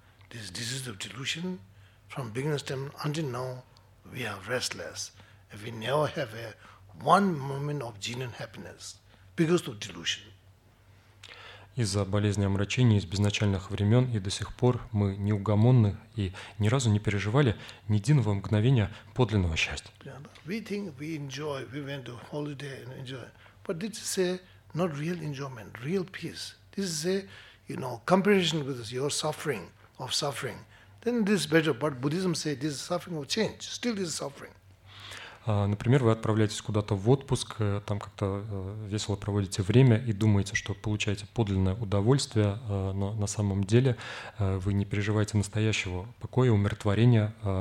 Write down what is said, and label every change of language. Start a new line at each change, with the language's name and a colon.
English: This disease of delusion, from beginning time until now, we are restless. We never have a one moment of genuine happiness because of delusion.
Russian: Из-за болезни омрачения из безначальных времен и до сих пор мы неугомонны и ни разу не переживали ни единого мгновения подлинного счастья.
English: We think we enjoy, we went to holiday and enjoy, but this is a not real enjoyment, real peace. This is a, you know, comparison with your suffering of suffering. Then this is better, but Buddhism says this suffering will change. Still this is suffering.
Russian: Например, вы отправляетесь куда-то в отпуск, там как-то весело проводите время и думаете, что получаете подлинное удовольствие, но на самом деле вы не переживаете настоящего покоя, умиротворения.